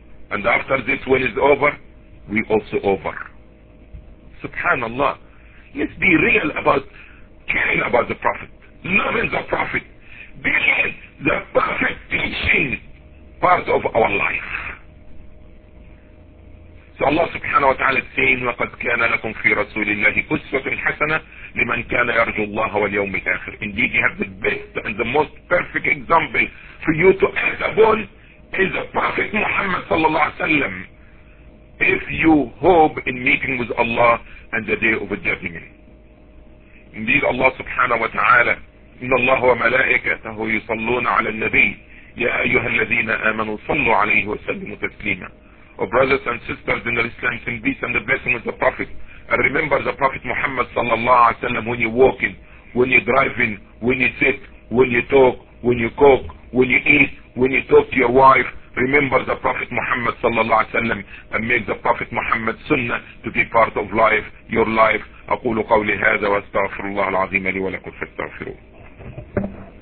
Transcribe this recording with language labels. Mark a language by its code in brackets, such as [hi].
[en] And after this, when it's over, we also over. Subhanallah. Let's be real about caring about the Prophet. not in the prophet, being the perfect teaching part of our life. So Allah subhanahu wa ta'ala is saying, [ar] وَقَدْ كَانَ لَكُمْ فِي رَسُولِ اللَّهِ أُسْوَةٌ حَسَنَةٌ لِمَنْ كَانَ يَرْجُو اللَّهَ وَالْيَوْمِ الْآخِرِ. [en] Indeed, you have the best and the most perfect example for you to act upon is the Prophet Muhammad sallallahu alayhi wa sallam, if you hope in meeting with Allah and the Day of Judgment. Indeed, Allah subhanahu wa ta'ala, [ar] إِنَّ اللَّهُ وَمَلَائِكَتَهُ يُصَلُّونَ عَلَى النَّبِيِّ يَا أَيُّهَا الَّذِينَ آمَنُوا صَلُّوا عَلَيْهِ وَسَلِّمُوا تَسْلِيمًا. [en] O brothers and sisters in Islam, in peace and the blessing of the Prophet. And remember the Prophet Muhammad sallallahu alayhi wa sallam when you're walking, when you're driving, when you sit, when you talk, when you cook, when you eat, when you talk to your wife. Remember the Prophet Muhammad sallallahu alayhi wa sallam and make the Prophet Muhammad sunnah to be part of life, your life. [ar] أقول قولي هذا واستغفر الله العظيم لي ولكم فاستغفروه.